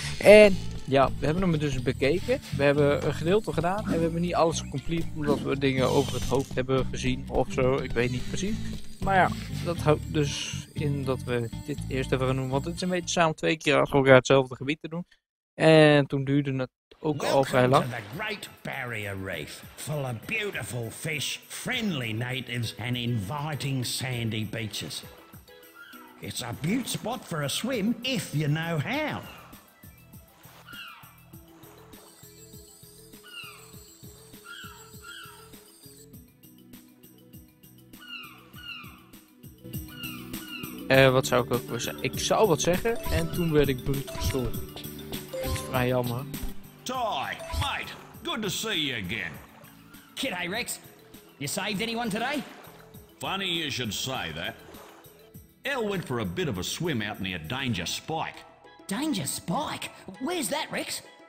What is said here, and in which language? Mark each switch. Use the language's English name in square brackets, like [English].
[Dutch] En ja, we hebben hem dus bekeken. We hebben een gedeelte gedaan en we hebben niet alles gecomplete. Omdat we dingen over het hoofd hebben gezien ofzo. Ik weet niet precies. Maar ja, dat houdt dus in dat we dit eerst even gaan doen. Want het is een beetje samen twee keer achter elkaar hetzelfde gebied te doen. En toen duurde het ook al vrij lang. [English] Welcome to the Great Barrier Reef. Full of beautiful fish, friendly natives and inviting sandy beaches. It's a beaut spot for a swim, if you know how. [Dutch] Wat zou ik ook willen zeggen? Ik zou wat zeggen en toen werd ik bruut gestoord. Dat is vrij jammer. [English] Ty, mate, good to see you again. G'day Rex, you saved anyone today? Funny you should say that. Elle went for a bit of a swim out near Danger Spike. Danger Spike? Where's that, Rex?